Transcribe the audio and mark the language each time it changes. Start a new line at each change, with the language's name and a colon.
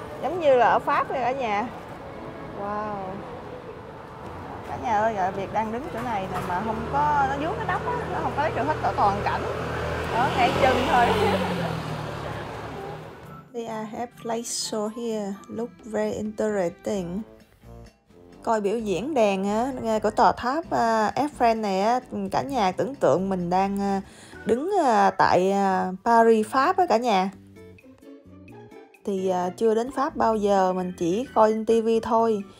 Vietnamese: Giống như là ở Pháp vậy cả nhà. Wow. Cả nhà ơi, giờ Việt đang đứng chỗ này nè mà không có, nó vướng cái đất á, nó không có lấy được hết cả toàn cảnh. Đó, ngay chân thôi.
English: They have place show here. Look very interesting.
Vietnamese: Coi biểu diễn đèn của tòa tháp Eiffel này, cả nhà tưởng tượng mình đang đứng tại Paris, Pháp á cả nhà. Thì chưa đến Pháp bao giờ, mình chỉ coi trên TV thôi.